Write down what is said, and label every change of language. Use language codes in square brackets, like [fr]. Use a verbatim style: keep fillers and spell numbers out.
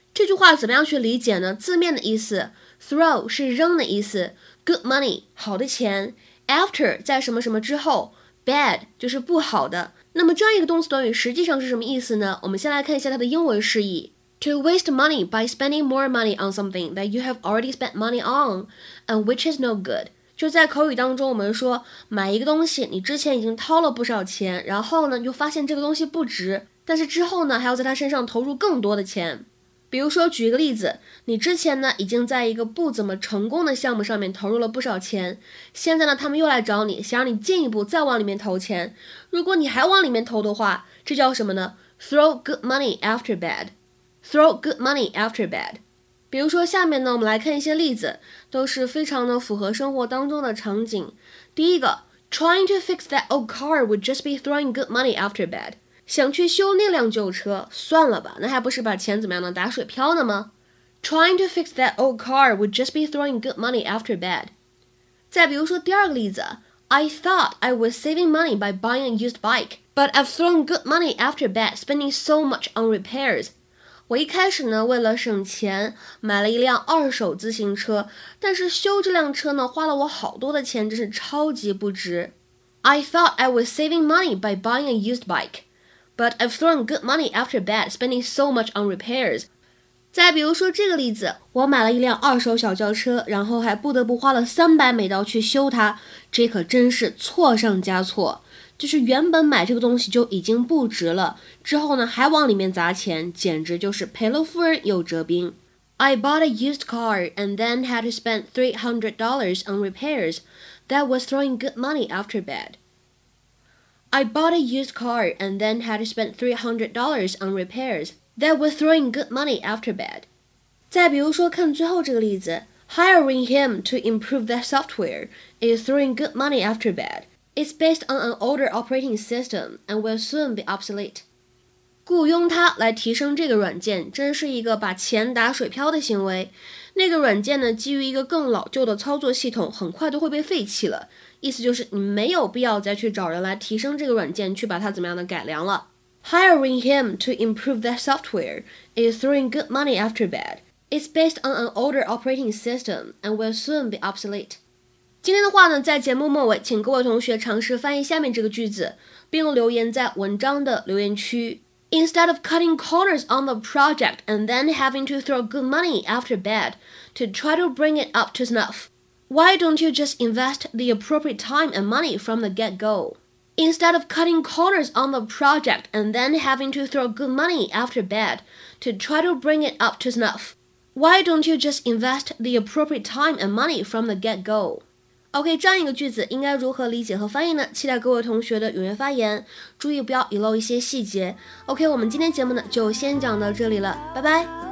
[zh] 这句话怎么样去理解呢？字面的意思 throw 是扔的意思， good money 好的钱， after 在什么什么之后， bad 就是不好的。那么这样一个动词短语实际上是什么意思呢？我们先来看一下它的英文释义。 [en] To waste money by spending more money on something that you have already spent money on and which is no good。 [zh] 就在口语当中，我们说买一个东西，你之前已经掏了不少钱，然后呢，你就发现这个东西不值，但是之后呢，还要在它身上投入更多的钱。比如说，举一个例子，你之前呢，已经在一个不怎么成功的项目上面投入了不少钱，现在呢，他们又来找你，想让你进一步再往里面投钱。如果你还往里面投的话，这叫什么呢？ [en] Throw good money after bad. Throw good money after bad. [zh] 比如说，下面呢，我们来看一些例子，都是非常的符合生活当中的场景。第一个 [en] ，Trying to fix that old car would just be throwing good money after bad。 [zh] 想去修那辆旧车，算了吧，那还不是把钱怎么样呢，打水漂呢吗 ？ [en] Trying to fix that old car would just be throwing good money after bad。 [zh] 再比如说第二个例子 [en] ，I thought I was saving money by buying a used bike, but I've thrown good money after bad, spending so much on repairs。 [zh] 我一开始呢，为了省钱买了一辆二手自行车，但是修这辆车呢，花了我好多的钱，真是超级不值。 [en] I thought I was saving money by buying a used bike, but I've thrown good money after bad, spending so much on repairs. [zh] 再比如说这个例子，我买了一辆二手小轿车，然后还不得不花了三百美刀去修它，这可真是错上加错。就是原本买这个东西就已经不值了，之后呢还往里面砸钱，简直就是赔了夫人又折兵。 [en] I bought a used car and then had to spend three hundred dollars on repairs. That was throwing good money after bad. I bought a used car and then had to spend three hundred dollars on repairs. That was throwing good money after bad. [zh] 再比如说看最后这个例子 [en] ，Hiring him to improve that software is throwing good money after bad. It's based on an older operating system and will soon be obsolete. [zh] 雇佣他来提升这个软件，真是一个把钱打水漂的行为。那个软件呢，基于一个更老旧的操作系统，很快都会被废弃了。意思就是你没有必要再去找人来提升这个软件，去把它怎么样的改良了。 [en] Hiring him to improve that software is throwing good money after bad. It's based on an older operating system and will soon be obsolete. [zh] 今天的话呢，在节目末尾，请各位同学尝试翻译下面这个句子，并留言在文章的留言区。 [en] Instead of cutting corners on the project and then having to throw good money after bad to try to bring it up to snuff, why don't you just invest the appropriate time and money from the get-go? Instead of cutting corners on the project and then having to throw good money after bad to try to bring it up to snuff, Why don't you just invest the appropriate time and money from the get-go? [zh] OK, 这样一个句子应该如何理解和翻译呢？期待各位同学的踊跃发言，注意不要遗漏一些细节。 OK, 我们今天节目呢就先讲到这里了，拜拜。